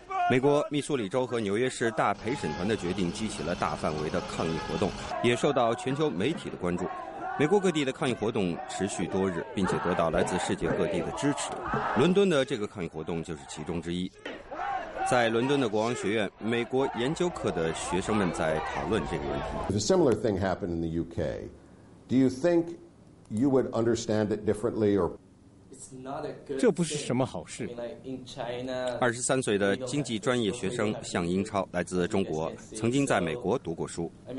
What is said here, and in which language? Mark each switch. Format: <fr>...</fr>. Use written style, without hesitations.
<zh>美国密苏里州和纽约市大陪审团的决定激起了大范围的抗议活动，也受到全球媒体的关注。美国各地的抗议活动持续多日，并且得到来自世界各地的支持，伦敦的这个抗议活动就是其中之一。在伦敦的国王学院，美国研究课的学生们在讨论这个问题。</zh> <en>If a similar thing happened in the UK, do you think you would understand it differently or...</en> <zh>这不是什么好事。 23岁的经济专业学生向英超来自中国，曾经在美国读过书。</zh>